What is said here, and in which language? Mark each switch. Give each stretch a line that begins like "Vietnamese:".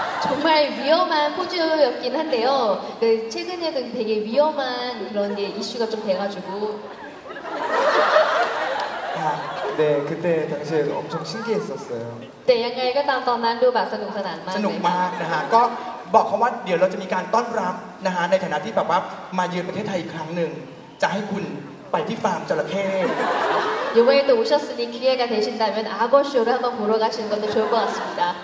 Korean: 정말 위험한 포즈였긴 한데요. 그 최근에는 되게 위험한 이런 게 이슈가 좀 돼가지고. 아, 네, 그때 당시에 엄청 신기했었어요. 네,
Thai: ยังไงก็ตามตอนนั้นดูแบบสนุกสนานมากสนุกมากนะฮะก็บอกเขาว่าเดี๋ยวเราจะมีการต้อนรับนะฮะในฐานะที่แบบว่ามาเยือนประเทศไทยอีกครั้งหนึ่งจะให้คุณไปที่ฟาร์มจระเข้.
Korean: 이번에 또 오셨으니 기회가 되신다면 악어쇼를 한번 보러 가시는 것도 좋을 것 같습니다.